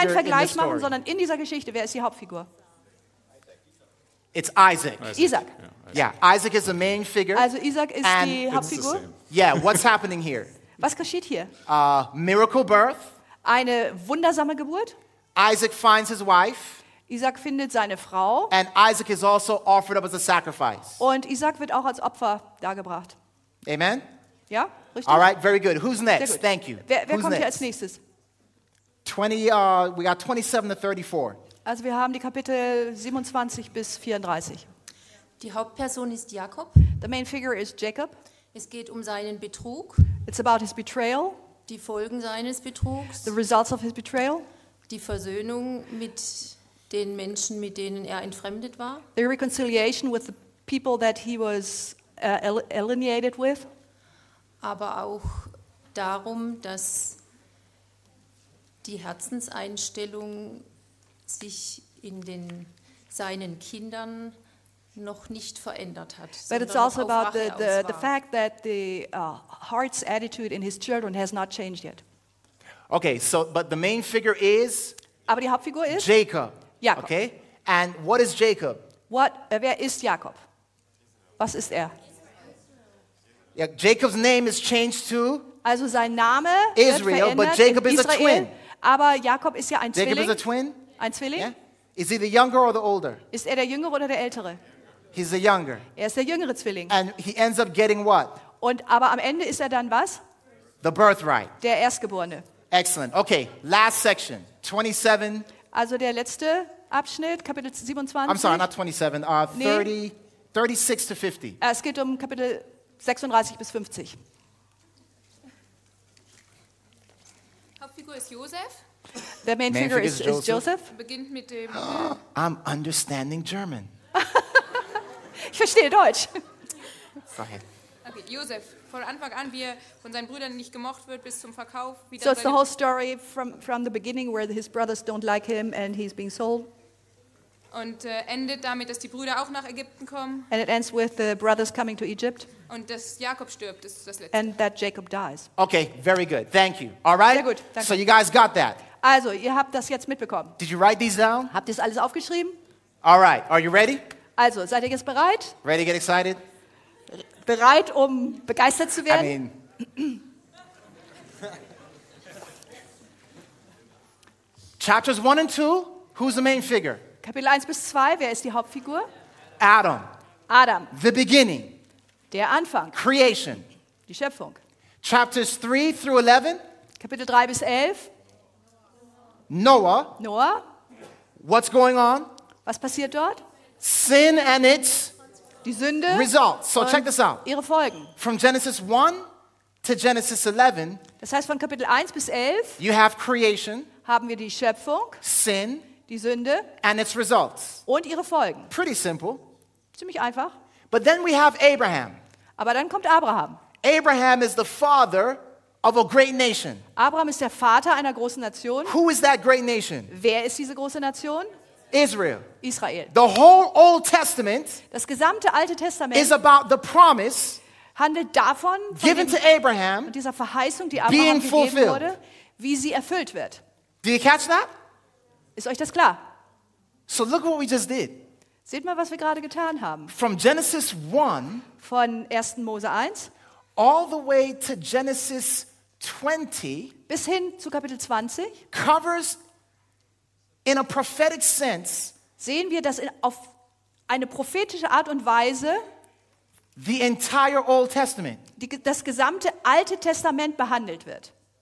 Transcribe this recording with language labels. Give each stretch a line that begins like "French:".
English: in the story?
German: Also noch kein Vergleich machen, sondern in dieser Geschichte, wer ist die Hauptfigur?
English: It's Isaac. Isaac. Isaac is the main figure.
German: Also Isaac ist
English: and
German: die Hauptfigur.
English: Yeah, what's happening here?
German: Was geschieht hier?
English: Miracle birth.
German: Eine wundersame Geburt.
English: Isaac finds his wife.
German: Isaac findet seine Frau.
English: And Isaac is also offered up as a sacrifice.
German: Und Isaac wird auch als Opfer dargebracht.
English: Amen?
German: Ja, richtig.
English: All right, very good. Who's next? Thank you.
German: Wer kommt hier als nächstes?
English: We got 27 to 34.
German: Also wir haben die Kapitel 27 bis 34. Die Hauptperson ist Jakob.
English: The main figure is Jacob.
German: Es geht um seinen Betrug.
English: It's about his betrayal.
German: Die Folgen seines Betrugs.
English: The results of his betrayal.
German: Die Versöhnung mit den Menschen, mit denen er entfremdet war.
English: The reconciliation with the people that he was alienated with.
German: Aber auch darum, dass die Herzenseinstellung sich in den seinen Kindern noch nicht verändert hat.
English: But it's also about the fact that the heart's attitude in his children has not changed yet. Okay, so but the main figure is.
German: Aber die Hauptfigur ist
English: Jacob.
German: Jakob.
English: Okay, and what is Jacob?
German: What? Wer ist Jakob? Was ist er?
English: Ja, Jacob's name is changed to.
German: Also sein Name Israel, wird verändert
English: but Jacob in Israel, is a twin.
German: Aber Jakob ist ja ein
English: Jacob
German: Zwilling.
English: Jacob is a twin.
German: Ein Zwilling.
English: Yeah? Is he the younger or the older?
German: Ist er der Jüngere oder der Ältere?
English: He's the younger.
German: Er ist der jüngere Zwilling.
English: And he ends up getting what?
German: Und aber am Ende ist er dann was?
English: The birthright.
German: Der Erstgeborene.
English: Excellent. Okay, last section, 27.
German: Also der letzte Abschnitt, Kapitel 27.
English: I'm sorry, not 27. 36 to 50.
German: Es geht um Kapitel 36 bis 50. Hauptfigur ist Josef.
English: The main figure is Joseph. Joseph.
German: Beginnt mit dem
English: I'm understanding German.
German: Ich verstehe Deutsch.
English: Go ahead.
German: Okay, Joseph, von Anfang an, wie er von seinen Brüdern nicht gemocht wird, bis zum Verkauf.
English: So it's the whole story from the beginning where his brothers don't like him and he's being sold.
German: Und endet damit, dass die Brüder auch nach Ägypten kommen.
English: And it ends with the brothers coming to Egypt.
German: Und dass Jakob stirbt, ist das letzte.
English: And that Jacob dies. Okay, very good. Thank you. All right?
German: Sehr gut.
English: Danke. So you guys got that.
German: Also, ihr habt das jetzt mitbekommen.
English: Did you write these down?
German: Habt ihr das alles aufgeschrieben?
English: All right. Are you ready?
German: Also, seid ihr jetzt bereit?
English: Ready to get excited?
German: Bereit, um begeistert zu werden?
English: I mean. Chapters 1 and 2, who's the main figure?
German: Kapitel 1 bis 2, wer ist die Hauptfigur?
English: Adam.
German: Adam.
English: The beginning.
German: Der Anfang.
English: Creation.
German: Die Schöpfung.
English: Chapters 3 through 11.
German: Kapitel 3 bis 11.
English: Noah.
German: Noah.
English: What's going on?
German: Was passiert dort?
English: Sin and its
German: die Sünde
English: results. So check this out.
German: Ihre Folgen.
English: From Genesis 1 to Genesis 11.
German: Das heißt von Kapitel 1 bis 11.
English: You have creation.
German: Haben wir die Schöpfung.
English: Sin.
German: Die Sünde.
English: And its results.
German: Und ihre Folgen.
English: Pretty simple.
German: Ziemlich einfach.
English: But then we have Abraham.
German: Aber dann kommt Abraham.
English: Abraham is the father of a great nation.
German: Abraham ist der Vater einer großen Nation.
English: Who is that great nation?
German: Wer ist diese große Nation?
English: Israel.
German: Israel.
English: The whole Old Testament.
German: Das gesamte Alte Testament.
English: Is about the promise.
German: Handelt davon.
English: Given to Abraham.
German: Und dieser Verheißung, die Abraham gegeben wurde, wie sie erfüllt wird.
English: Do you catch that?
German: Ist euch das klar?
English: So look what we just did.
German: Seht mal, was wir gerade getan haben.
English: From Genesis 1.
German: Von 1. Mose 1.
English: All the way to Genesis 20,
German: bis hin zu Kapitel 20,
English: covers in a prophetic sense,
German: sehen wir das auf eine prophetische Art und Weise,
English: the entire Old Testament,
German: das gesamte Alte Testament behandelt wird.